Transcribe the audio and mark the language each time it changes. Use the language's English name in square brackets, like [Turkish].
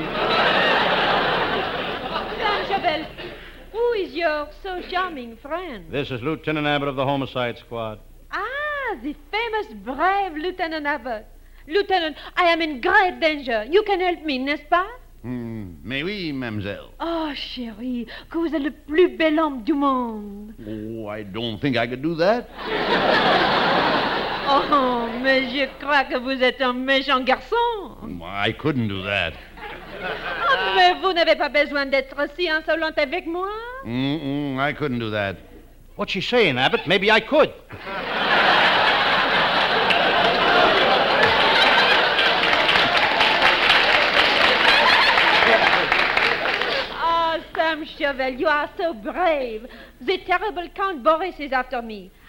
[English] Sam Chauvel, who is your so charming friend? This is Lieutenant Abbott of the Homicide Squad. Ah, the famous brave Lieutenant Abbott. Lieutenant, I am in great danger. You can help me, [French] n'est-ce pas? Mais oui, mademoiselle. Oh, chérie, que vous êtes le plus bel homme du monde. [English] Oh, I don't think I could do that. [French] Oh, mais je crois que vous êtes un méchant garçon. [English] I couldn't do that. [French] Oh, mais vous n'avez pas besoin d'être si insolente avec moi. [English] I couldn't do that. What's she saying, Abbott? Maybe I could. Sam Chauvel, you are so brave. The terrible Count Boris is after me.